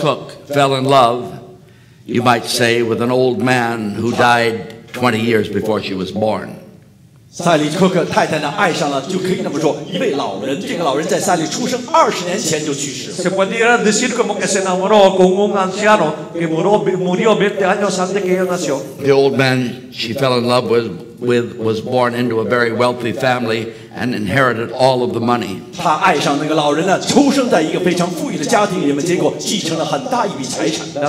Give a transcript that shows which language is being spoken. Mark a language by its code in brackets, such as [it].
[en] Cook fell in love, you might say, with an old man who died 20 years before she was born. [es] Se pudiera decir como que se enamoró con un anciano que murió 20 años antes que ella nació. [en] The old man she fell in love with was born into a very wealthy family and inherited all of the money. [zh] 他爱上那个老人了，出生在一个非常富裕的家庭里面，结果继承了很大一笔财产。